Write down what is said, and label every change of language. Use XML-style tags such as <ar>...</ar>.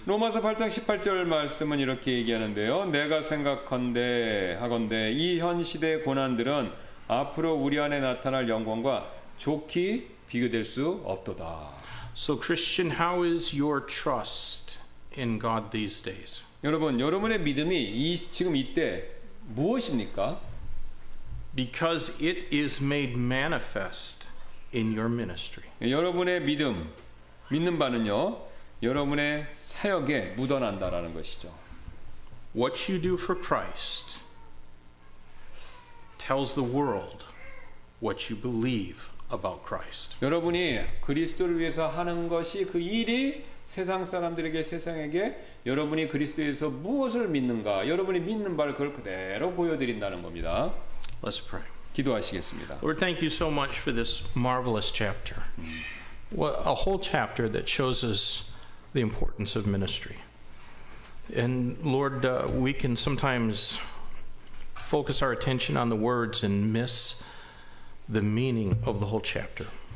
<ko>로마서 8장 18절 말씀은 이렇게 얘기하는데요. 내가 생각한대 하건대 이 현 시대의 고난들은 앞으로 우리 안에 나타날 영광과 좋게 비교될 수 없도다.</ko> <en>So Christian, how is your trust in God these days?</en> <ko>여러분, 여러분의 믿음이 이 지금 이때 무엇입니까?</ko> <en>Because it is made manifest in your ministry.</en> <ko>여러분의 믿음, 믿는 바는요, 여러분의 사역에 묻어난다라는 것이죠.</ko> <en>What you do for Christ tells the world what you believe about Christ.</en> <ko>여러분이 그리스도를 위해서 하는 것이 그 일이 세상 사람들에게 세상에게 여러분이 그리스도에서 무엇을 믿는가 여러분이 믿는 바를 그걸 그대로 보여드린다는 겁니다.</ko> <en>Let's pray.</en> <ko>기도하시겠습니다.</ko> <en>Lord, thank you so much for this marvelous chapter. What a whole chapter that shows us the importance of ministry. And Lord, we can sometimes focus our attention on the words and miss the meaning of the whole chapter.</en>